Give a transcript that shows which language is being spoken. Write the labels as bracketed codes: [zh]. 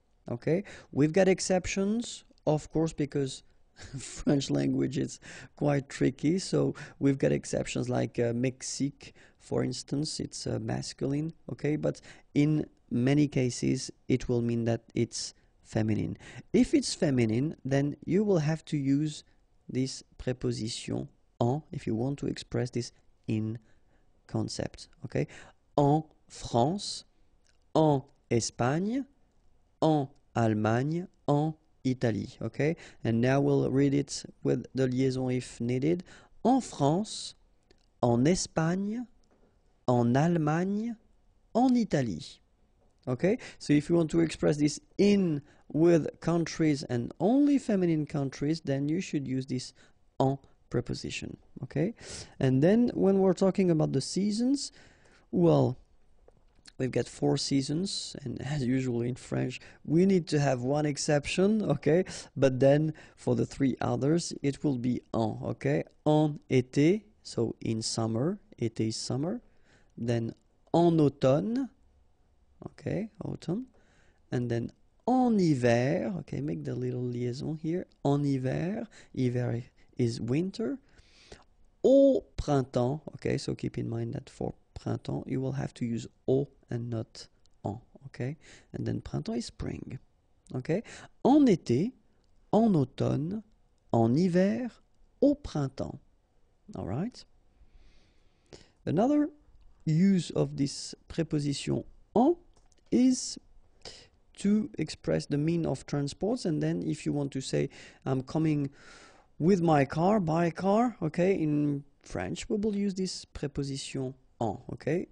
[en] Okay, we've got exceptions, of course, because French language is quite tricky, so we've got exceptions like Mexique, for instance, it's masculine, okay, but in many cases, it will mean that it's feminine. If it's feminine, then you will have to use this preposition en if you want to express this in concept. [fr] Okay, en France, en Espagne, en Allemagne, en Italie. [en] Okay, and now we'll read it with the liaison if needed. [fr] En France, en Espagne, en Allemagne, en Italie. [en] Okay, so if you want to express this in with countries and only feminine countries, then you should use this en preposition. Okay, and then when we're talking about the seasons, well, We've got four seasons, and as usual in French, we need to have one exception, okay? But then for the three others, it will be en, okay? [fr] En été, [en] so in summer, été is summer. Then [fr] en automne, [en] okay, autumn. And then [fr] en hiver, [en] okay, make the little liaison here. [fr] En hiver, [en] hiver is winter. [fr] Au printemps, [en] okay, so keep in mind that for printemps, you will have to use au and not en, okay? And then printemps is spring, okay? [fr] En été, en automne, en hiver, au printemps, [en] all right? Another use of this preposition en is to express the mean of transports, and then if you want to say, I'm coming with my car, by car, okay, in French, we will use this preposition en, okay?